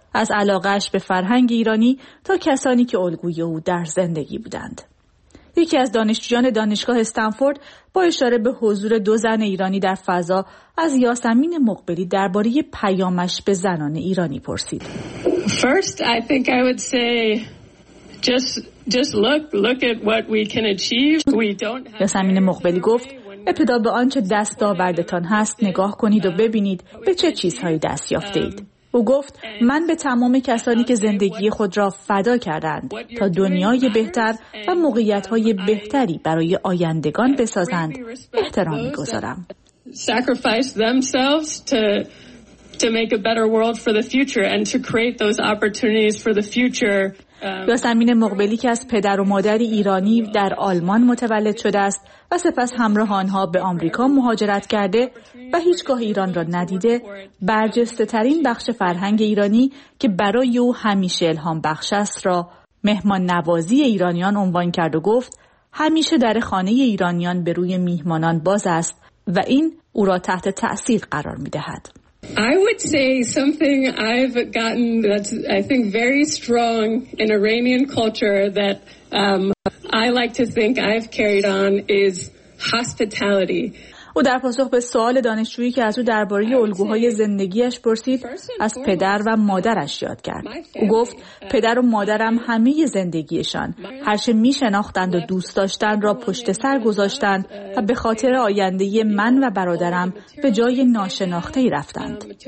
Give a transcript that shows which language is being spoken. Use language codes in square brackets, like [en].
[fa] از علاقه‌اش به فرهنگ ایرانی تا کسانی که الگوی او در زندگی بودند. یکی از دانشجویان دانشگاه استنفورد با اشاره به حضور دو زن ایرانی در فضا از یاسمین مقبلی درباره پیامش به زنان ایرانی پرسید. [en] First, I think I would say just look at what we can achieve. [fa] یاسمین مقبلی گفت: ابتدا به آنچه دستاوردتان هست نگاه کنید و ببینید به چه چیزهایی دست یافته اید. او گفت: من به تمام کسانی که زندگی خود را فدا کردند تا دنیای بهتر و موقعیت‌های بهتری برای آیندگان بسازند احترام می‌گذارم. [en] Sacrifice themselves to make a better world for the future and to create those opportunities for the future. [fa] یاسمین مقبلی که از پدر و مادر ایرانی در آلمان متولد شده است و سپس همراه آنها به آمریکا مهاجرت کرده و هیچگاه ایران را ندیده، برجسته ترین بخش فرهنگ ایرانی که برای او همیشه الهام بخش است را مهمان نوازی ایرانیان عنوان کرد و گفت: همیشه در خانه ایرانیان به روی میهمانان باز است و این او را تحت تأثیر قرار می دهد. [en] I would say something I've gotten that's I think very strong in Iranian culture that I like to think I've carried on is hospitality. [fa] او در پاسخ به سوال دانشجویی که از او درباره الگوهای زندگیش پرسید، از پدر و مادرش یاد کرد. او گفت: پدر و مادرم همه زندگیشان، هرچه می شناختند و دوست داشتند را پشت سر گذاشتند و به خاطر آینده من و برادرم به جای ناشناخته‌ای رفتند.